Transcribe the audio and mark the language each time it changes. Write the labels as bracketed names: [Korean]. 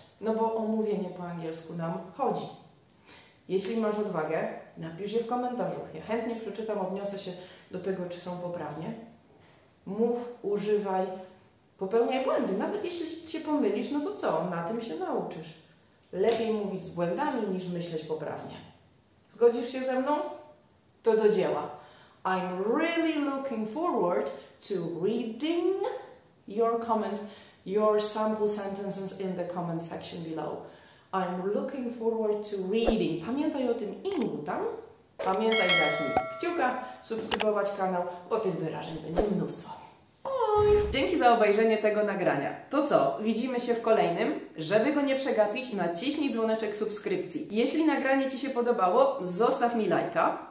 [Polish] No bo o mówienie po angielsku nam chodzi. Jeśli masz odwagę, napisz je w komentarzu. Ja chętnie przeczytam, odniosę się do tego, czy są poprawnie. Mów, używaj, popełniaj błędy. Nawet jeśli się pomylisz, no to co? Na tym się nauczysz. Lepiej mówić z błędami, niż myśleć poprawnie. Zgodzisz się ze mną? To do dzieła. [English] I'm really looking forward to reading your comments. Your sample sentences in the comment section below. I'm looking forward to reading. [Polish] Pamiętaj o tym ingu, tam? Pamiętaj dać mi kciuka, subskrybować kanał, bo tych wyrażeń będzie mnóstwo. Bye! Dzięki za obejrzenie tego nagrania. To co? Widzimy się w kolejnym. Żeby go nie przegapić, naciśnij dzwoneczek subskrypcji. Jeśli nagranie Ci się podobało, zostaw mi lajka.